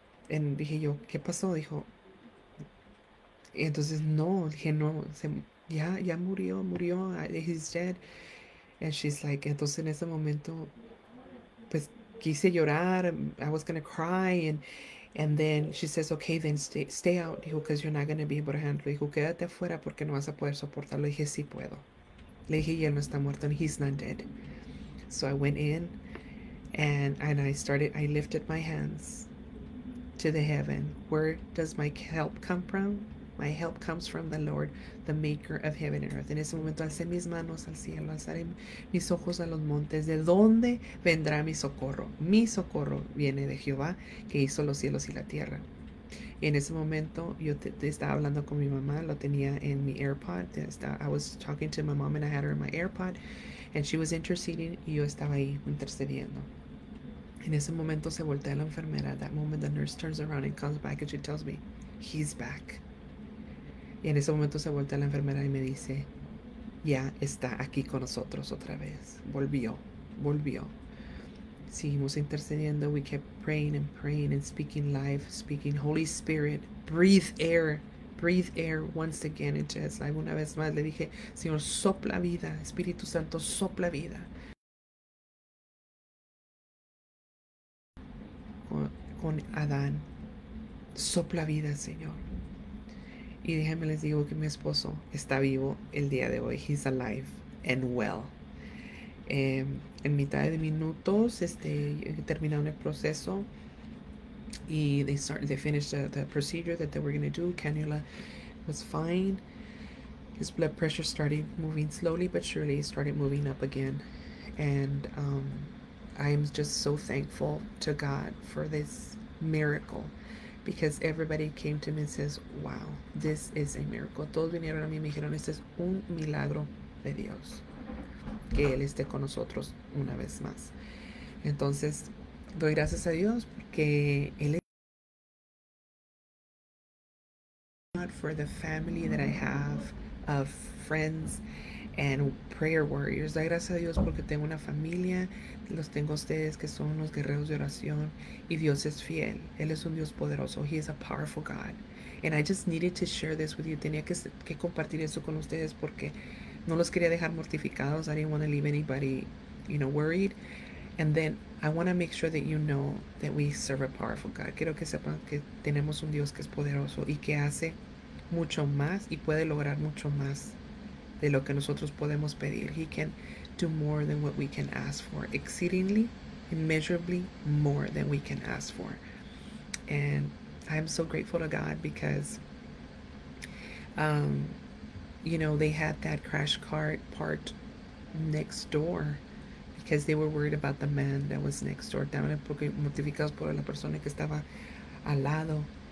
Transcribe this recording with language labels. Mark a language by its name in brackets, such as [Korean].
[Spanish] Y dije yo, ¿qué pasó? Dijo, y entonces no, dije no, ya murió, murió, [English] he's dead. And she's like, [Spanish] entonces en ese momento, pues quise llorar, [English] I was gonna cry, and then she says, okay, then stay out, dijo, because you're not gonna be able to handle it. [Spanish] Dijo, quédate afuera porque no vas a poder soportarlo. Le dije, sí puedo. Le dije, y él no está muerto, [English] and he's not dead. So I went in, and I lifted my hands to the heaven. Where does my help come from? My help comes from the Lord, the maker of heaven and earth. [Spanish] En ese momento alcé mis manos al cielo, alzaré mis ojos a los montes. ¿De dónde vendrá mi socorro? Mi socorro viene de Jehová, que hizo los cielos y la tierra. Y en ese momento yo te estaba hablando con mi mamá, lo tenía en mi AirPod. [English] I was talking to my mom and I had her in my AirPod, and she was interceding, [Spanish] y yo estaba ahí intercediendo. En ese momento se voltea la enfermera. [English] That moment the nurse turns around and comes back and she tells me, he's back. [Spanish] Y en ese momento se voltea la enfermera y me dice, ya está aquí con nosotros otra vez. Volvió, volvió. Seguimos intercediendo. [English] We kept praying and praying and speaking life, speaking Holy Spirit. Breathe air once again into his life. [Spanish] Una vez más le dije, Señor, sopla vida. Espíritu Santo, sopla vida. Con Adán, sopla vida, Señor. Y déjenme les digo que mi esposo está vivo el día de hoy. [English] He's alive and well. [Spanish] En mitad de minutos, terminaron el proceso y [English] they finished the procedure that they were going to do. Cannula was fine. His blood pressure started moving slowly but surely, started moving up again. And I'm just so thankful to God for this miracle, because everybody came to me and says, wow, this is a miracle. [Spanish] Todos vinieron a mí y me dijeron, este es un milagro de Dios, que Él esté con nosotros una vez más. Entonces, doy gracias a Dios porque Él es [English] for the family that I have of friends and prayer warriors. [Spanish] Doy gracias a Dios porque tengo una familia, los tengo a ustedes que son los guerreros de oración, y Dios es fiel. Él es un Dios poderoso. [English] He is a powerful God. And I just needed to share this with you. [Spanish] Tenía que compartir eso con ustedes porque no los quería dejar mortificados. [English] I didn't want to leave anybody, you know, worried. And then I want to make sure that you know that we serve a powerful God. [Spanish] Quiero que sepan que tenemos un Dios que es poderoso y que hace mucho más y puede lograr mucho más de lo que nosotros podemos pedir. [English] He can do more than what we can ask for, exceedingly, immeasurably more than we can ask for. And I'm so grateful to God because, you know, they had that crash cart parked next door because they were worried about the man that was next door. [Spanish] Estaban mortificados por la persona que estaba al lado.